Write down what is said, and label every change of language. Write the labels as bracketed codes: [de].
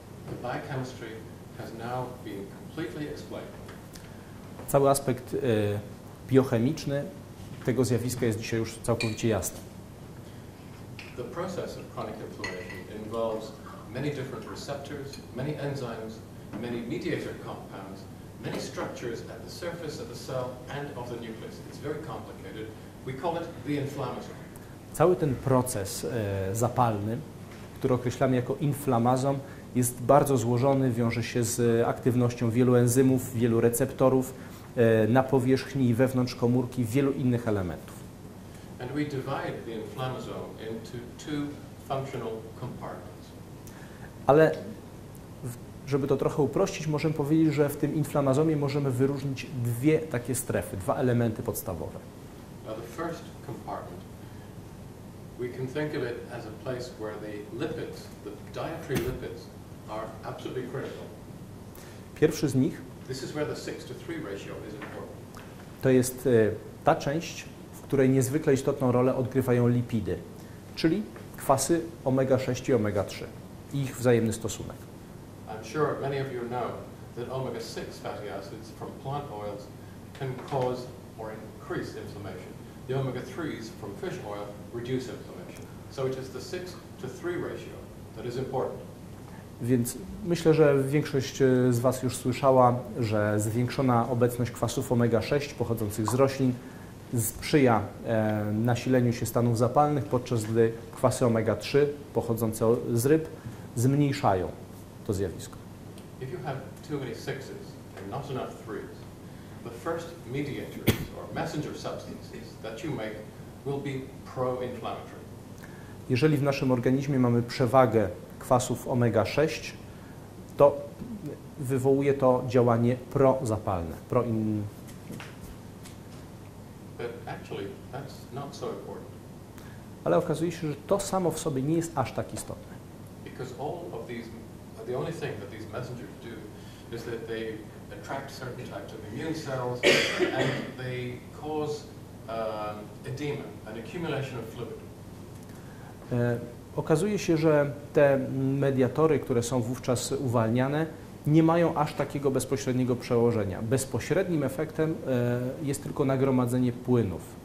[en] The biochemistry has now been completely explained. [pl] Cały aspekt biochemiczny tego zjawiska jest dzisiaj już całkowicie jasny. [en] The process of chronic inflammation involves many different receptors, many enzymes, many mediator compounds, many structures at the surface of the cell and of the nucleus. It's very complicated. We call it the inflammasome. [pl] Cały ten proces zapalny, który określamy jako inflamazom, jest bardzo złożony, wiąże się z aktywnością wielu enzymów, wielu receptorów na powierzchni i wewnątrz komórki, wielu innych elementów. [en] And we divide the inflammasome into two functional compartments. [pl] Ale żeby to trochę uprościć, możemy powiedzieć, że w tym inflamazomie możemy wyróżnić dwie takie strefy, dwa elementy podstawowe. [en] Now the first compartment, we can think of it as a place where the lipids, the dietary lipids, are absolutely critical. [pl] Pierwszy z nich. [en] This is where the 6-3 ratio is important. [pl] To jest ta część, w której niezwykle istotną rolę odgrywają lipidy, czyli kwasy omega 6 i omega 3 i ich wzajemny stosunek. [en] I'm sure many of you know that omega 6 fatty acids from plant oils can cause or increase inflammation. The omega 3s from fish oil reduce inflammation. So it is the 6-3 ratio that is important. [pl] Więc myślę, że większość z Was już słyszała, że zwiększona obecność kwasów omega-6 pochodzących z roślin sprzyja nasileniu się stanów zapalnych, podczas gdy kwasy omega-3 pochodzące z ryb zmniejszają to zjawisko. [en] If you have too many sixes and not enough threes, the first mediators or messenger substances that you make will be pro-inflammatory. [pl] Jeżeli w naszym organizmie mamy przewagę kwasów omega-6, to wywołuje to działanie prozapalne. [en] But actually, that's not so important. [pl] Ale okazuje się, że to samo w sobie nie jest aż tak istotne. [en] Because all of these, the only thing that these messengers do is that they attract certain types of immune cells and they cause edema, an accumulation of fluid. [pl] Okazuje się, że te mediatory, które są wówczas uwalniane, nie mają aż takiego bezpośredniego przełożenia. Bezpośrednim efektem jest tylko nagromadzenie płynów.